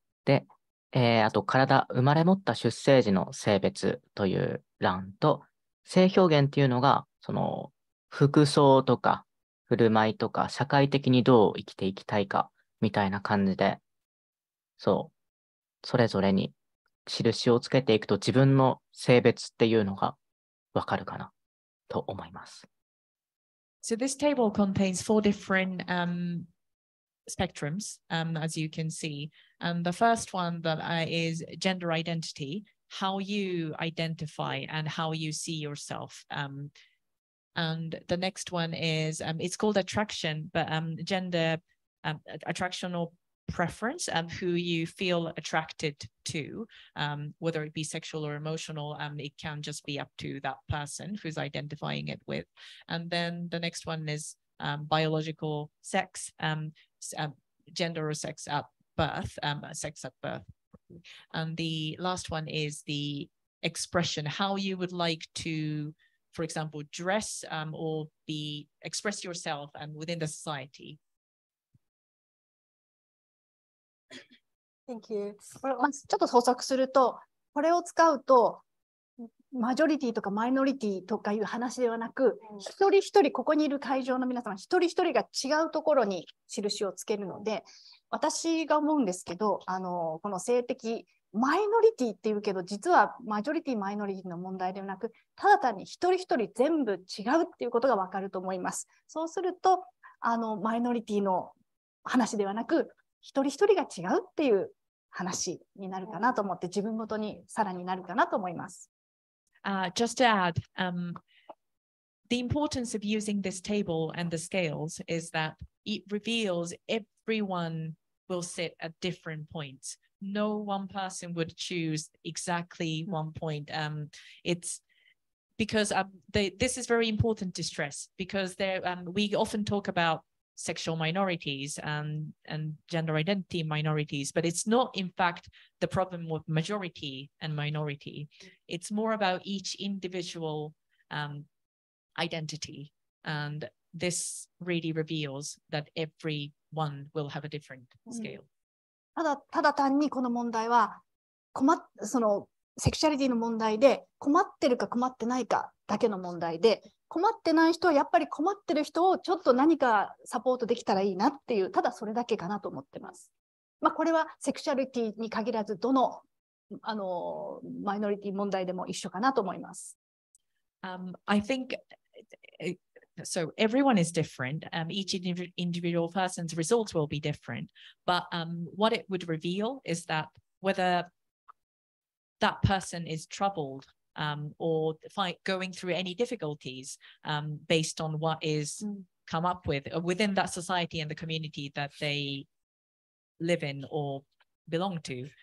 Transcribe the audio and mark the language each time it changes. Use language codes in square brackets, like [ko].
[ja] で、あと、体、生まれ持った出生時の性別という欄と、性表現っていうのが、その、服装とか、振る舞いとか、社会的にどう生きていきたいか、みたいな感じで、そう、それぞれに、印をつけていくと自分の性別っていうのがわかるかなと思います。 [en] So this table contains four different, spectrums, as you can see. And the first one that is gender identity, how you identify and how you see yourself. And the next one is, it's called attraction, but, gender, attraction orpreference and who you feel attracted to, whether it be sexual or emotional, it can just be up to that person who's identifying it with. And then the next one is biological sex, gender or sex at birth, sex at birth. And the last one is the expression, how you would like to, for example, dress or be express yourself and within the society. Thank you. [ja] これちょっと補足すると、これを使うとマジョリティとかマイノリティとかいう話ではなく、一人一人ここにいる会場の皆様一人一人が違うところに印をつけるので、私が思うんですけど、この性的マイノリティっていうけど、実はマジョリティマイノリティの問題ではなく、ただ単に一人一人全部違うっていうことがわかると思います。そうすると、マイノリティの話ではなく、一人一人が違うっていう話になるかなと思って、自分ごとにさらになるかなと思います。 [en] Just to add, the importance of using this table and the scales is that it reveals everyone will sit at different points. No one person would choose exactly one point. It's because this is very important to stress, because we often talk about sexual minorities and gender identity minorities, but it's not in fact the problem with majority and minority. It's more about each individual identity, and this really reveals that everyone will have a different scale. [ja] ただ単にこの問題は困っそのセクシャリティの問題で困ってるか困ってないかだけの問題で、困ってない人はやっぱり困ってる人をちょっと何かサポートできたらいいなっていう、ただそれだけかなと思ってます。まあ、これはセクシャリティに限らずどのマイノリティ問題でも一緒かなと思います。 [en] I think so everyone is different. Each individual person's results will be different, but what it would reveal is that whether that person is troubledgoing through any difficulties based on what is come up with within that society and the community that they live in or belong to.